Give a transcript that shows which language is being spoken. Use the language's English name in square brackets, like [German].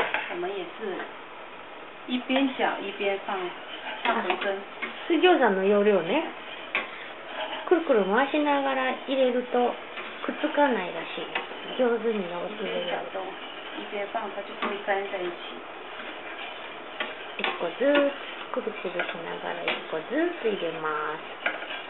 [Chinese] 我们也是一边搅一边放馄饨。 [Japanese] 水餃子の要領ね。くるくる回しながら入れるとくっつかないらしい。上手に揉めるやつ。 [Chinese] 一边放它就可以粘在一起。 [Japanese] 一個ずつくるくるしながら一個ずつ入れます。